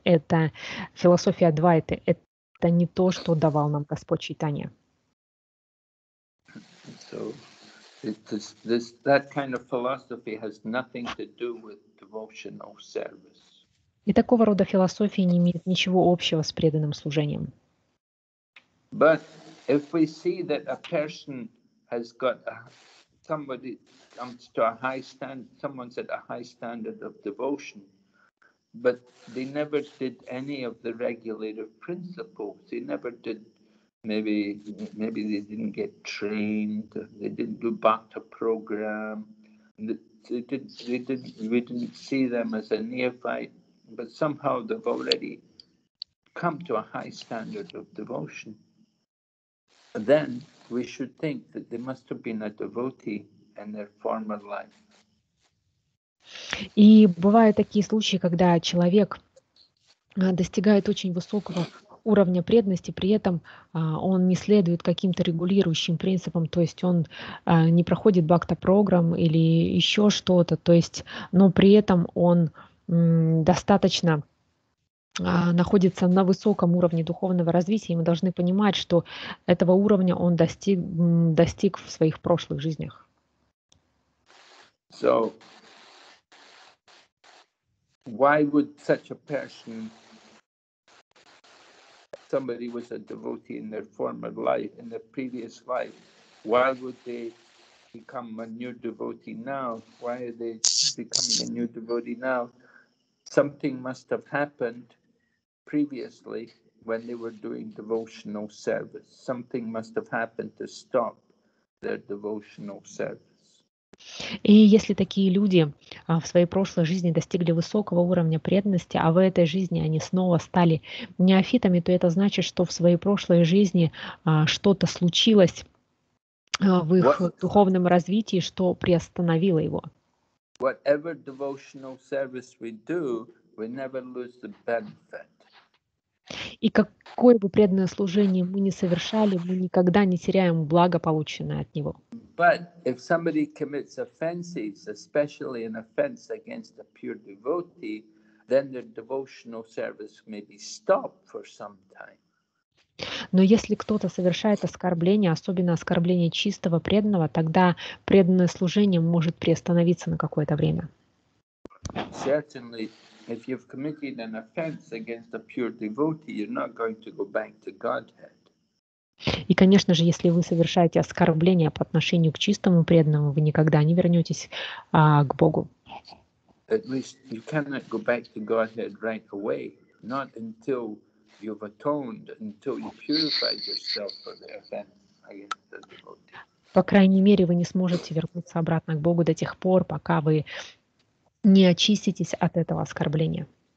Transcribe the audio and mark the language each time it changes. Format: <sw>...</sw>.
<ru>Это философия Адвайты. Это не то, что давал нам Господь Чайтанья.</ru> <en>So, that kind of philosophy has nothing to do with devotional service.</en> <ru>И такого рода философия не имеет ничего общего с преданным служением.</ru> <en>But if we see that a person has got somebody comes to a high standard, someone's at a high standard of devotion, but they never did any of the regulative principles. They never did, maybe they didn't get trained, they didn't do bhakta program, we didn't see them as a neophyte, but somehow they've already come to a high standard of devotion. And then we should think that they must have been a devotee in their former life.</en> <ru>И бывают такие случаи, когда человек достигает очень высокого уровня преданности, при этом он не следует каким-то регулирующим принципам, то есть он не проходит бхакта-программ или еще что-то, то есть, но при этом он достаточно находится на высоком уровне духовного развития, и мы должны понимать, что этого уровня он достиг в своих прошлых жизнях.</ru> <en>So, why would such a person, somebody was a devotee in their former life, in their previous life, why would they become a new devotee now? Why are they becoming a new devotee now? Something must have happened previously when they were doing devotional service. Something must have happened to stop their devotional service.</en> <ru>И если такие люди в своей прошлой жизни достигли высокого уровня преданности, а в этой жизни они снова стали неофитами, то это значит, что в своей прошлой жизни что-то случилось в их духовном развитии, что приостановило его.</ru> <en>Whatever devotional service we do, we never lose the benefit.</en> <ru>И какое бы преданное служение мы ни совершали, мы никогда не теряем благо, полученное от него.</ru> <en>But if somebody commits offenses, especially an offense against a pure devotee, then their devotional service may be stopped for some time.</en> <ru>Но если кто-то совершает оскорбление, особенно оскорбление чистого преданного, тогда преданное служение может приостановиться на какое-то время.</ru> <en>Certainly, if you've committed an offense against a pure devotee, you're not going to go back to Godhead.</en> <ru>И, конечно же, если вы совершаете оскорбление по отношению к чистому преданному, вы никогда не вернетесь к Богу.</ru> <en>At least you cannot go back to Godhead right away, not until you've atoned, until you purified yourself for the offense against the devotee.</en> <ru>По крайней мере, вы не сможете вернуться обратно к Богу до тех пор, пока вы не очиститесь от этого оскорбления.</ru>